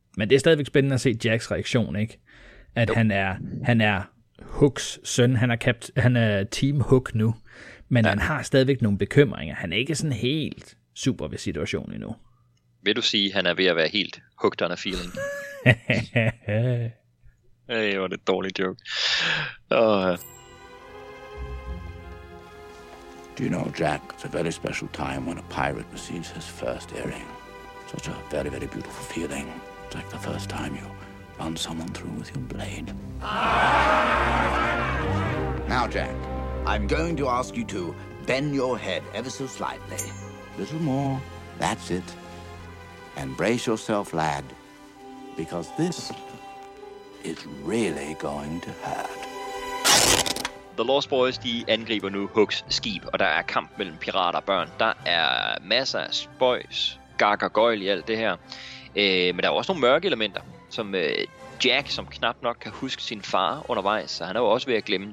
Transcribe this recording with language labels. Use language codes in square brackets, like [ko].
[da] Men det er stadigvæk spændende at se Jacks reaktion, ikke? At han er Hooks søn, han er Team Hook nu, men han har stadigvæk nogle bekymringer. Han er ikke sådan helt super ved situationen endnu. Vil du sige, at han er ved at være helt [en] hooked on a feeling? [da] Hey, hvor er det et dårligt joke. [en] Do you know, Jack, it's a very special time when a pirate receives his first earring. Such a very, very beautiful feeling. It's like the first time you run someone through with your blade. Now, Jack, I'm going to ask you to bend your head ever so slightly. Little more, that's it. And brace yourself, lad, because this is really going to hurt. [da] The Lost Boys, de angriber nu Hooks skib, og der er kamp mellem pirater og børn. Der er masser af spøjs, gak og gøjl i alt det her. Men der er også nogle mørke elementer, som Jack, som knap nok kan huske sin far undervejs, så han er jo også ved at glemme.